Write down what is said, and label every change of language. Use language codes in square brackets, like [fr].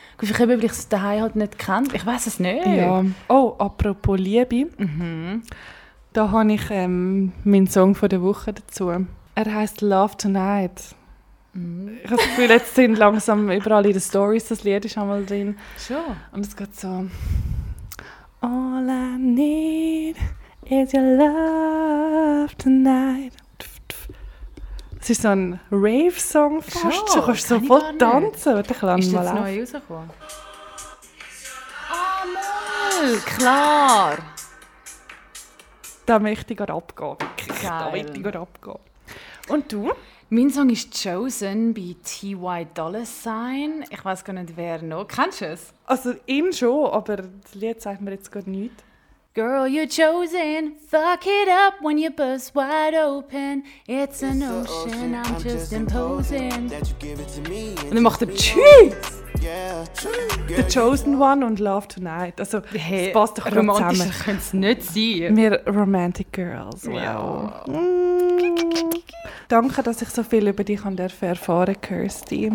[de] Ich habe es daheim halt nicht kennt. Ich weiß es nicht. Ja. Oh, apropos Liebe. Da habe ich meinen Song von der Woche dazu. Er heisst Love Tonight. Ich habe das Gefühl, jetzt sind langsam überall in den Stories das Lied ist einmal drin. Schon. Und es geht so. [en] All I need is your love tonight. [de] Es ist so ein Rave-Song fast. Schon, kannst du kannst so voll tanzen. Warte, ich lasse ihn mal auf. Ist das neu rausgekommen? Ah, oh, klar! da möchte ich gerade abgehen. Da möchte ich gerade abgehen. Und du? Mein Song ist «Chosen» bei T.Y. Dolla Sign. Ich weiß gar nicht, wer noch. Kennst du es? Also ihn schon, aber das Lied sagt mir jetzt gerade nichts. [en] Girl, you're chosen. Fuck it up when you burst wide open. It's an ocean, I'm just imposing. That you give it to me. [de] Und dann macht er Tschüss! The Chosen One und Love Tonight. Also, hey, das passt doch romantisch zusammen. Romantisch könnte es nicht sein. Wir Romantic Girls. Wow. Yeah. Danke, dass ich so viel über dich erfahren, Kirsty.